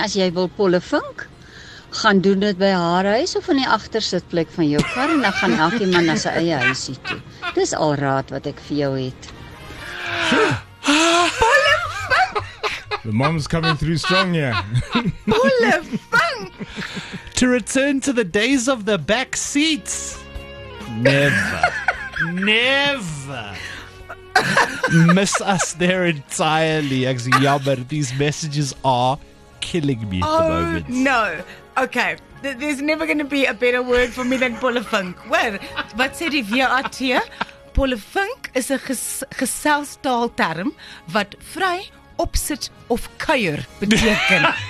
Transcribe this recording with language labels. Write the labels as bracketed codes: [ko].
[af] As jy wil Polle Vink, gaan doen dit by haar huis of in die agtersitplek van jou kar en dan gaan elke man na sy eie huisie toe. Dis al raad wat ek vir jou het. Polle Vink! [en] The mom's coming through strong here. [af] Polle Vink! [en] To return to the days of the back seats. Never. Never. Miss us there entirely. Yeah, these messages are killing me at the moment. No. Okay. There's never going to be a better word for me than Polle Vink. [af] Where? Wat sê die VAT? Polle Vink is 'n geselstaal term wat vry, opsit of kuier beteken.